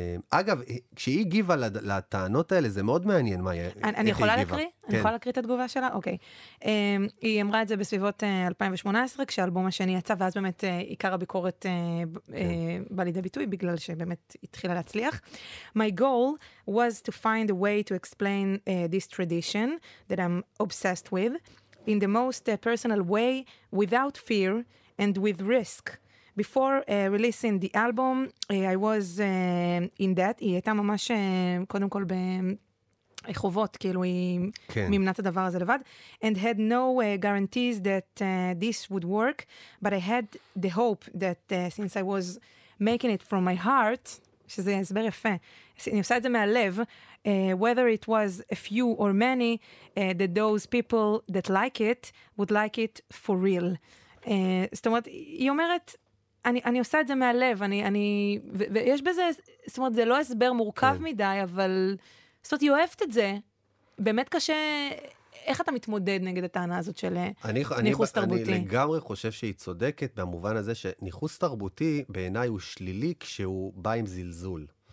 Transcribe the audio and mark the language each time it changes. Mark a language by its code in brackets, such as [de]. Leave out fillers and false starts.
[he] אגב, כשהיא הגיבה לטענות האלה, זה מאוד מעניין מה היא הגיבה. אני יכולה להקריא? כן. אני יכולה להקריא את התגובה שלה? אוקיי. היא אמרה את זה בסביבות 2018, כשהאלבום השני יצא, ואז באמת עיקר הביקורת בא לידי ביטוי, בגלל שבאמת התחילה להצליח. [en] My goal was to find a way to explain this tradition that I'm obsessed with in the most personal way, without fear and with risk. Before releasing the album, I was in debt. [he] היא הייתה ממש, קודם כל, בחובות, כאילו היא כן. ממנת הדבר הזה לבד. [en] And had no guarantees that this would work, but I had the hope that since I was making it from my heart, [he] שזה הסבר יפה, אני עושה את זה מהלב, [en] whether it was a few or many, that those people that like it would like it for real. [he] זאת אומרת, היא אומרת, אני עושה את זה מהלב, ויש בזה, זאת אומרת, זה לא הסבר מורכב מדי, אבל, זאת אומרת, היא אוהבת את זה, באמת קשה, איך אתה מתמודד נגד הטענה הזאת של ניחוס תרבותי? אני לגמרי חושב שהיא צודקת, במובן הזה שניחוס תרבותי, בעיניי הוא שלילי כשהוא בא עם זלזול.